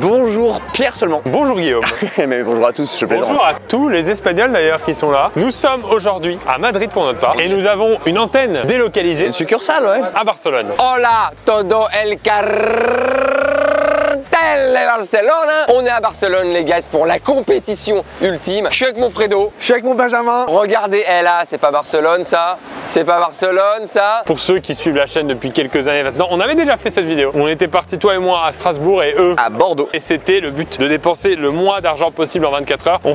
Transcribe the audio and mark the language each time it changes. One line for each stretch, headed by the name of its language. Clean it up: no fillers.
French: Bonjour Pierre seulement. Bonjour Guillaume. Mais bonjour à tous, je plaisante. Bonjour à tous les Espagnols d'ailleurs qui sont là. Nous sommes aujourd'hui à Madrid pour notre part. Et nous avons une antenne délocalisée. Une succursale, ouais. À Barcelone.
Spanish: Hola todo el cartel de Barcelona.
French: On est à Barcelone les gars, c'est pour la compétition ultime. Je suis avec mon Fredo. Je suis avec mon Benjamin. Regardez, elle a, c'est pas Barcelone ça. C'est pas Barcelone, ça. Pour ceux qui suivent la chaîne depuis quelques années maintenant, on avait déjà fait cette vidéo. On était partis, toi et moi, à Strasbourg et eux à Bordeaux. Et c'était le but de dépenser le moins d'argent possible en 24 heures.